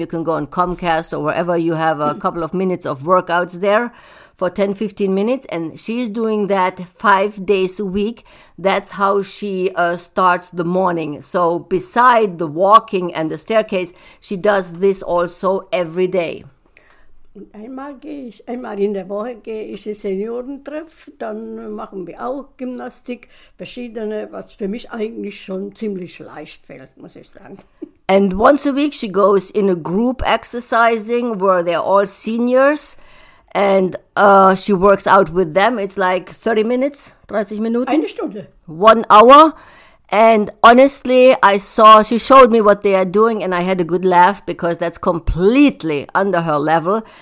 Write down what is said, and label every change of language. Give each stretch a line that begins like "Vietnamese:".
English: You can go on Comcast or wherever you have a couple of minutes of workouts there for 10, 15 minutes. And she's doing that 5 days a week. That's how she starts the morning. So beside the walking and the staircase, she does this also every day.
German: Einmal in der Woche gehe ich ins Seniorentreff, dann machen wir auch Gymnastik, verschiedene, was für mich eigentlich schon ziemlich leicht fällt, muss ich sagen.
English: And once a week she goes in a group exercising, where they're all seniors, and she works out with them. It's like 30 minutes,
German: 30 Minuten. Eine Stunde.
English: 1 hour. And honestly, she showed me what they are doing, and I had a good laugh because that's completely under her level.